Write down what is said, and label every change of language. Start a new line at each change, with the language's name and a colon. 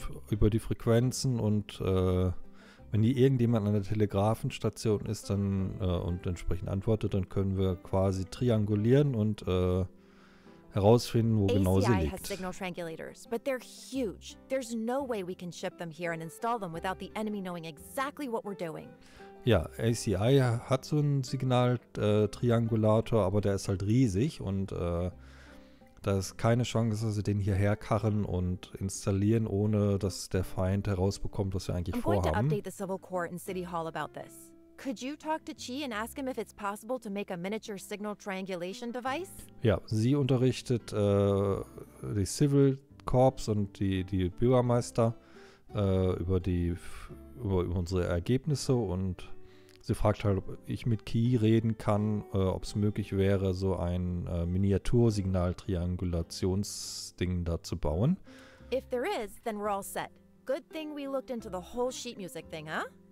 German: Über die Frequenzen und wenn die irgendjemand an der Telegrafenstation ist, dann und entsprechend antwortet, dann können wir quasi triangulieren und herausfinden, wo ACI genau sie liegt.
English: ACI has signal triangulators, but they're huge. There's no way we can ship them here and install them without the enemy knowing exactly what we're doing.
German: Ja, ACI hat so einen Signal-Triangulator, aber der ist halt riesig und da ist keine Chance, dass sie den hierher karren und installieren, ohne dass der Feind herausbekommt, was wir eigentlich vorhaben.
English: I'm going to update the Civil Corps in City Hall about this. Could you talk to Chi and ask him if it's possible to make a miniature signal triangulation device?
German: Ja, sie unterrichtet die Civil Corps und die Bürgermeister über unsere Ergebnisse und sie fragt halt, ob ich mit Key reden kann, ob es möglich wäre, so ein Miniatursignal-Triangulationsding da zu bauen.
English: If there is, then we're all set. Good thing we looked into the whole sheet music thing, huh?